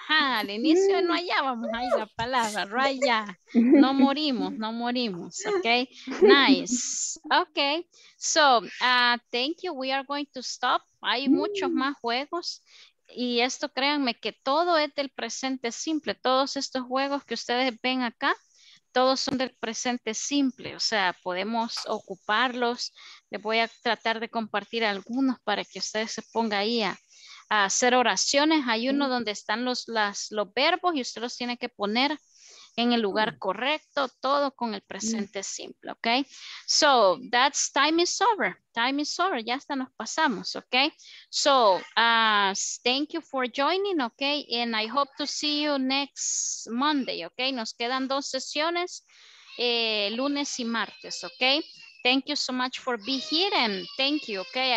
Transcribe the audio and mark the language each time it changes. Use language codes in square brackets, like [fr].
[es] Ajá, al inicio no hallábamos ahí la palabra, raya. No morimos, no morimos, ok. Nice, ok. [en] So, thank you, we are going to stop. [es] Hay muchos más juegos. Y esto, créanme, que todo es del presente simple. Todos estos juegos que ustedes ven acá, todos son del presente simple. O sea, podemos ocuparlos. Les voy a tratar de compartir algunos para que ustedes se pongan ahí a hacer oraciones. Hay uno donde están los verbos y usted los tiene que poner en el lugar correcto. Todo con el presente simple, ¿ok? [en] So, that's time is over. [es] Time is over. Ya hasta nos pasamos, ¿ok? [en] So, thank you for joining, [es] ¿ok? [en] And I hope to see you next Monday, ¿ok? [es] Nos quedan dos sesiones, lunes y martes, ¿ok? [en] Thank you so much for being here and thank you, ¿ok?